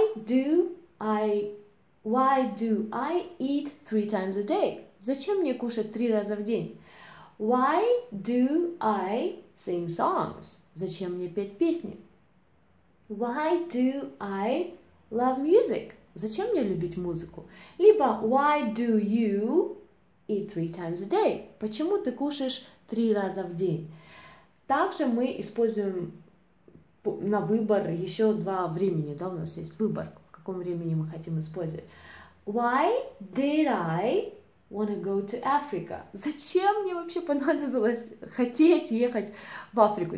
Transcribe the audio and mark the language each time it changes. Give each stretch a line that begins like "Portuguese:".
English: Why do I eat 3 times a day?
Russian: Зачем мне кушать 3 раза в день?
English: Why do I sing songs?
Russian: Зачем мне петь песни?
English: Why do I love music?
Russian: Зачем мне любить музыку? Либо
English: why do you eat 3 times a day?
Russian: Почему ты кушаешь 3 раза в день? Также мы используем на выбор еще 2 времени, да, у нас есть выбор, в каком времени мы хотим использовать.
English: Why did I want to go to Africa?
Russian: Зачем мне вообще понадобилось хотеть ехать в Африку?